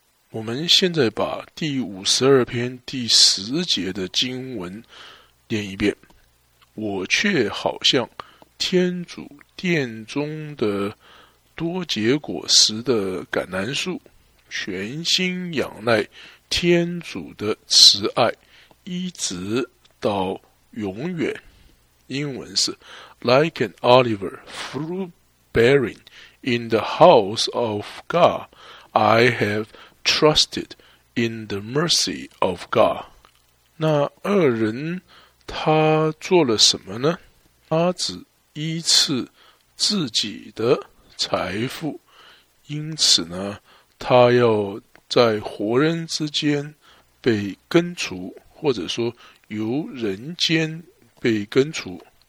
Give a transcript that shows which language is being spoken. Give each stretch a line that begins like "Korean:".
Chinese: 我们现在把第52篇第10节的经文念一遍，我却好像天主殿中的多结果实的橄榄树，全心仰赖天主的慈爱一直到永远。英文是
English: Like an oliver fruit bearing in the house of God, I have trusted in the mercy of God。
Chinese: 那恶人他做了什么呢？他只依次自己的财富，因此呢，他要在活人之间被根除，或者说由人间被根除。